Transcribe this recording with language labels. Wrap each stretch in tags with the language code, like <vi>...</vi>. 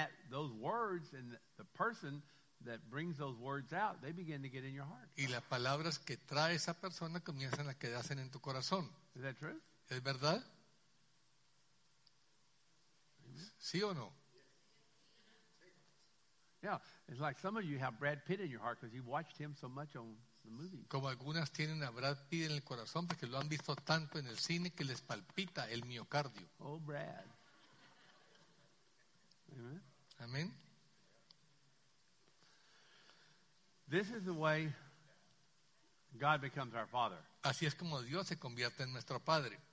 <en>Those words and the person that brings those words out, they begin to get in your heart.</en> <es>Y las palabras que trae esa persona comienzan a quedarse en tu corazón.</es> <en>Is that true?</en> <es>¿Es verdad? ¿Sí o no?</es> <en>Yeah, it's like some of you have Brad Pitt in your heart because you've watched him so much on the movie.</en> <es>Como algunas tienen a Brad Pitt en el corazón porque lo han visto tanto en el cine que les palpita el miocardio.</es> <en>Oh, Brad. Amen.</en> <es>Amen.</es> <en>This is the way God becomes our Father.</en> <es>Así es como Dios se convierte en nuestro Padre.</es>